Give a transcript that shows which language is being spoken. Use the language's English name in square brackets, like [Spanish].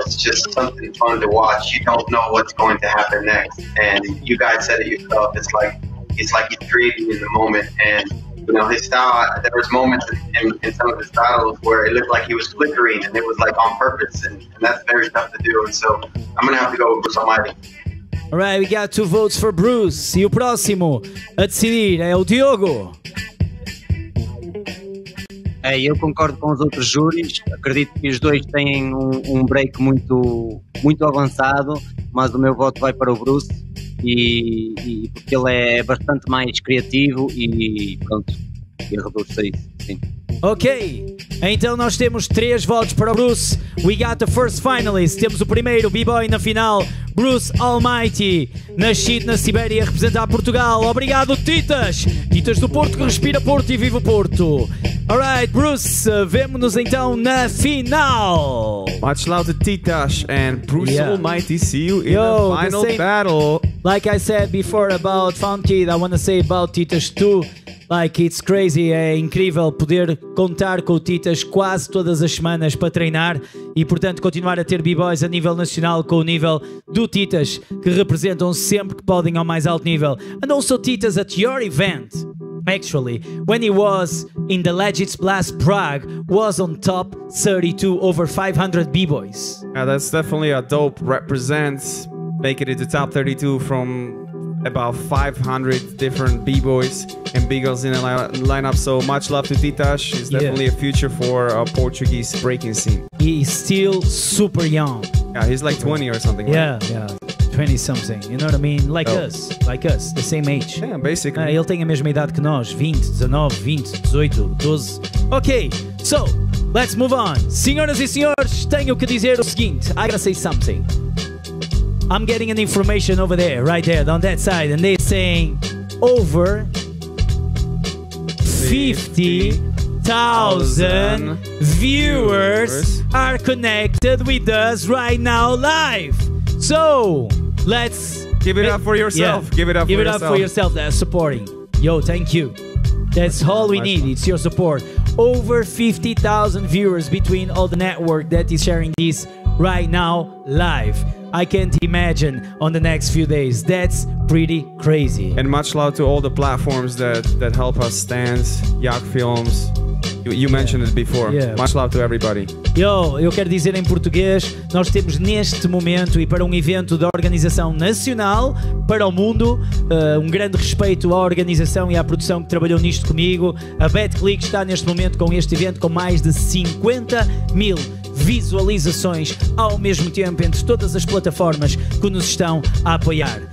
[English] It's just something fun to watch. You don't know what's going to happen next, and you guys said it yourself. It's like he's creating in the moment, and you know, his style, there was moments in some of his battles where it looked like he was flickering, and it was like on purpose, and that's very tough to do, and so I'm going to have to go with Bruce Almighty. All right, we got 2 votes for Bruce. [Portuguese] E o próximo a decidir é o Diogo. Eu concordo com os outros júris, acredito que os dois têm um break muito, muito avançado, mas o meu voto vai para o Bruce, e porque ele é bastante mais criativo e pronto, eu reforço isso, sim. Ok, então nós temos 3 votos para o Bruce. [English] We got the first finalist, [Portuguese] temos o primeiro B-Boy na final, Bruce Almighty, nascido na Sibéria a representar Portugal. Obrigado, Titas! Titas do Porto que respira Porto e vive o Porto. Alright, Bruce, vemo-nos então na final! [English] Much love to Titas and Bruce Almighty, see you in the final battle! Like I said before about Funkid, I wanna say about Titas too. Like, it's crazy, [Portuguese] é incrível poder contar com o Titas quase todas as semanas para treinar e, portanto, continuar a ter b-boys a nível nacional com o nível do Titas, que representam sempre que podem ao mais alto nível. [English] And also Titas at your event, actually, when he was in the Legends Blast Prague, was on top 32 over 500 b-boys. Yeah, that's definitely a dope represent, making it to top 32 from about 500 different b-boys and b-girls in the lineup. So much love to Titas. He's definitely a future for a Portuguese breaking scene. He's still super young. Yeah, he's like 20 or something. Yeah, right? Yeah, 20 something. You know what I mean? Like us. Like us, the same age. Yeah, basically. [Portuguese] Ele tem a mesma idade que nós. 20, 19, 20, 18, 12. [English] Okay, so let's move on. [Portuguese] Senhoras e senhores, tenho que dizer o seguinte. [English] I gotta say something. I'm getting an information over there, right there, on that side, and they're saying over 50,000 viewers are connected with us right now live. So, let's give it up for yourself. Yeah, give it up for yourself. Give it up for yourself that's supporting. Yo, thank you. That's all we need. It's your support. Over 50,000 viewers between all the network that is sharing this right now live. I can't imagine on the next few days. That's pretty crazy. And much love to all the platforms that help us, Stans, Yacht Films. You mentioned it before. Yeah. Much love to everybody. [Portuguese] Yo, eu quero dizer em português, nós temos neste momento e para um evento da organização nacional para o mundo, um grande respeito à organização e à produção que trabalhou nisto comigo. A Betclic está neste momento com este evento com mais de 50 mil visualizações ao mesmo tempo entre todas as plataformas que nos estão a apoiar.